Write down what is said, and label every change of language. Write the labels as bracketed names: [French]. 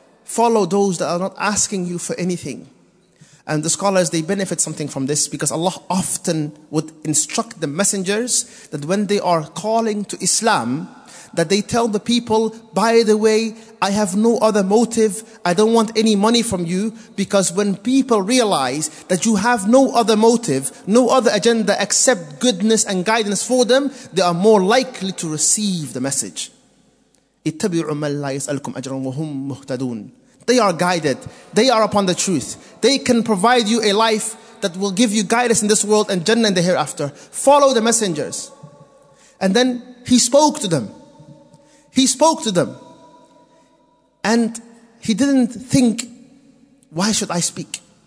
[English] follow those that are not asking you for anything. And the scholars, they benefit something from this, because Allah often would instruct the messengers that when they are calling to Islam, that they tell the people, by the way, I have no other motive, I don't want any money from you. Because when people realize that you have no other motive, no other agenda except goodness and guidance for them, they are more likely to receive the message. [Arabic] اتبعوا من لا يسألكم أجرا وهم مهتدون. [English] They are guided, they are upon the truth. They can provide you a life that will give you guidance in this world and Jannah in the hereafter. Follow the messengers. And then he spoke to them. He spoke to them. And he didn't think, why should I speak?